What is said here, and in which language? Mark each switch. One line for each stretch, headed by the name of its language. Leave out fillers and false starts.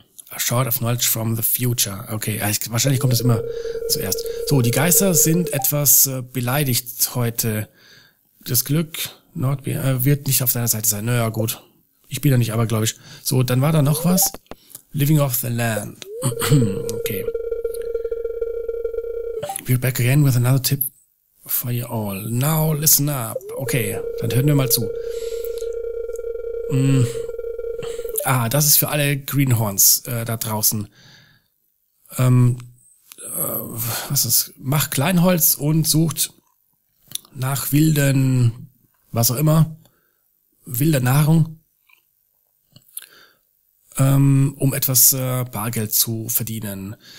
English: A shard of knowledge from the future.
German: Okay, wahrscheinlich kommt das immer zuerst. So, die Geister sind etwas beleidigt heute. Das Glück wird nicht auf deiner Seite sein. Naja, gut. Ich bin da nicht abergläubisch. So, dann war da noch was.
English: Living off the land.
German: Okay.
English: We're back again with another tip for you all. Now listen up.
German: Okay, dann hören wir mal zu. Ah, das ist für alle Greenhorns da draußen. Was ist? Macht Kleinholz und sucht nach wilden, was auch immer, wilder Nahrung, um etwas Bargeld zu verdienen.